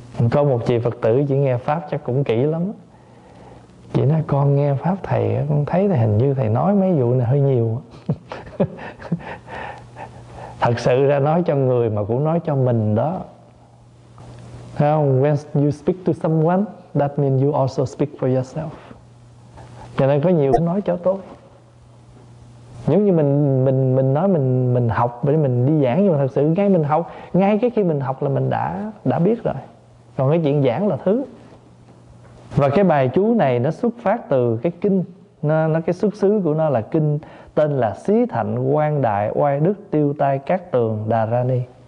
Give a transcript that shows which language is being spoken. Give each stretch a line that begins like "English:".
Vietnamese: Có một chị Phật tử, chị nghe pháp chắc cũng kỹ lắm. Chị nói con nghe pháp thầy, con thấy thầy hình như thầy nói mấy vụ này hơi nhiều. Thật sự ra nói cho người mà cũng nói cho mình đó.
English: When you speak to someone, that means you also speak for yourself.
Vietnamese: Cho nên có nhiều cũng nói cho tôi. Giống như mình nói mình học để mình đi giảng, nhưng mà thật sự ngay mình học, ngay cái khi mình học là mình đã biết rồi. Còn cái chuyện giảng là thứ. Và cái bài chú này nó xuất phát từ cái kinh, nó cái xuất xứ của nó là kinh tên là Xí Thạnh Quang Đại Oai Đức Tiêu Tai Cát Tường Đà Ra Ni.